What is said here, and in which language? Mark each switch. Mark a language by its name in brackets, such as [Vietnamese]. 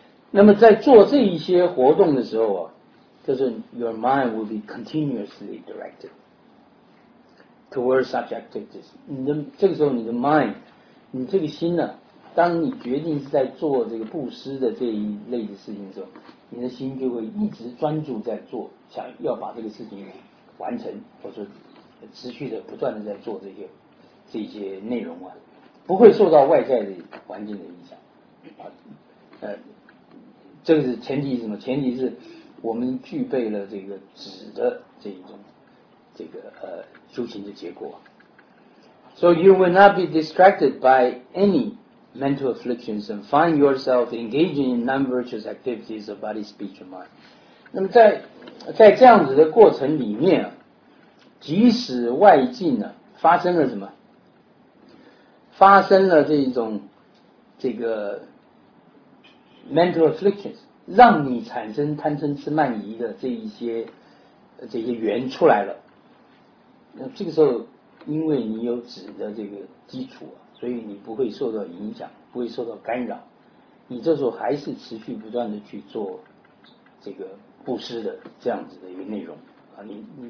[Chinese] 那么在做这一些活动的时候啊，就是 [English] your mind will be continuously directed towards such activities, [Chinese] 这个时候你的 mind, 你这个心呢，当你决定是在做这个布施的这一类的事情的时候，你的心就会一直专注在做，想要把这个事情完成，或者持续的不断的在做这些内容啊，不会受到外在的环境的影响。这个是前提是什么？前提是我们具备了这个止的这一种这个修行的结果。 [English] So you will not be distracted by any mental afflictions and find yourself engaging in non-virtuous activities of body, speech, and mind. [Chinese] 那么在这样子的过程里面，即使外境呢发生了什么，发生了这种这个 mental afflictions, 让你产生贪嗔痴慢疑的这些缘出来了，那这个时候因为你有止的这个基础，所以你不会受到影响，不会受到干扰，你这时候还是持续不断的去做这个布施的这样子的一个内容啊，你